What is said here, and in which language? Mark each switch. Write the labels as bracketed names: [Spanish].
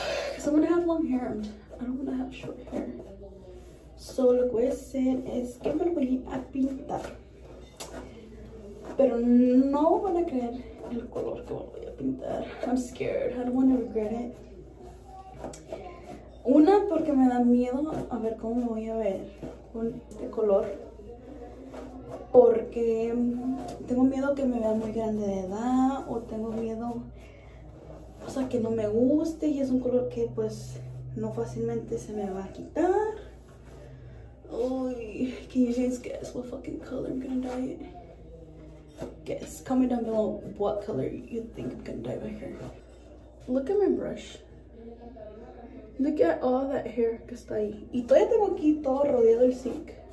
[English] Because I'm gonna have long hair. I don't wanna have short hair. [Spanish] So, lo que voy a hacer es que me lo voy a pintar. Pero no van a creer el color que me lo voy a pintar. [English] I'm scared. I don't wanna regret it. [Spanish] Una, porque me da miedo a ver cómo me voy a ver con este color. Porque tengo miedo que me vea muy grande de edad, o tengo miedo, o sea, que no me guste y es un color que pues no fácilmente se me va a quitar. [English] Uy, can you guys guess what fucking color I'm gonna dye it? Guess, comment down below what color you think I'm gonna dye my hair. Look at my brush. Look at all that hair [Spanish] que está ahí. Y todavía tengo aquí todo rodeado el zinc.